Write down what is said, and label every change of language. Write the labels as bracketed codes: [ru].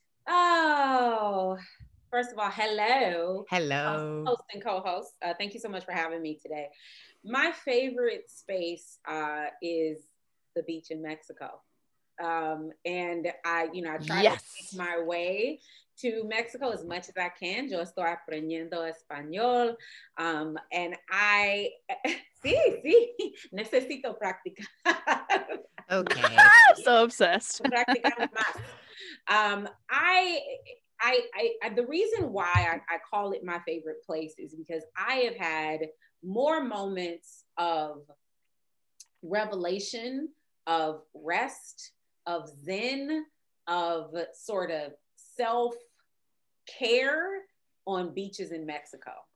[en] Oh, first of all, hello. Hello. Host and co-host. Thank you so much for having me today. My favorite space is the beach in Mexico. And I, you know, I try to make my way to Mexico as much as I can. [es] Yo estoy aprendiendo español. [en] And I, [es] sí, necesito practicar. [en] Okay. So obsessed. [es] Practicar más. [en] I the reason why I call it my favorite place is because I have had more moments of revelation, of rest, of zen, of sort of self-care on beaches in Mexico.